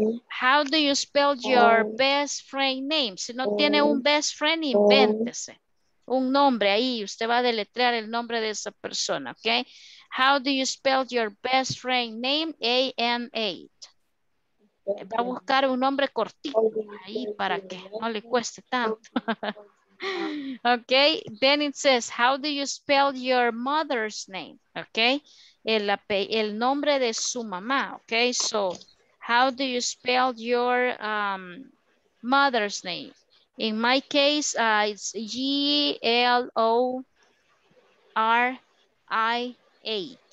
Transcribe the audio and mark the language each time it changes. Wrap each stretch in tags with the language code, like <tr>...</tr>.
<en>How do you spell your best friend name?</en> <es>Si no tiene un best friend, invéntese un nombre ahí. Usted va a deletrear el nombre de esa persona, ¿ok?</es> <en>How do you spell your best friend name? A-M-A.</en> <es>Va a buscar un nombre cortito ahí para que no le cueste tanto.</es> <en>Okay, then it says, how do you spell your mother's name?</en> <es>Okay, el nombre de su mamá.</es> <en>Okay, so how do you spell your mother's name? In my case, it's G-L-O-R-I-A.</en>